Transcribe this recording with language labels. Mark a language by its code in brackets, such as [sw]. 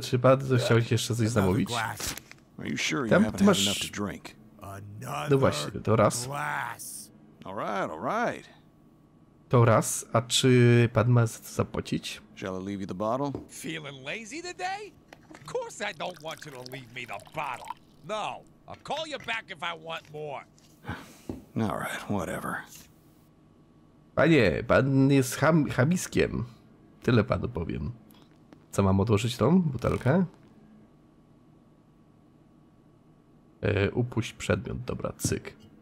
[pl] Czy Badu chciałeś jeszcze coś zamówić? [en] Are you sure you haven't had enough to drink? [pl] No właśnie, to raz. [en] Alright, alright. [pl] To raz. A czy pan ma zapłacić? [en] Shall I leave you the bottle? Feeling lazy today? Of course I don't want you to leave me the bottle. No. I'll call you back if I want more. All right, whatever. [pl] Panie, pan jest chamiskiem. Tyle panu powiem. Co, mam odłożyć tą butelkę? Upuść przedmiot, dobra, cyk.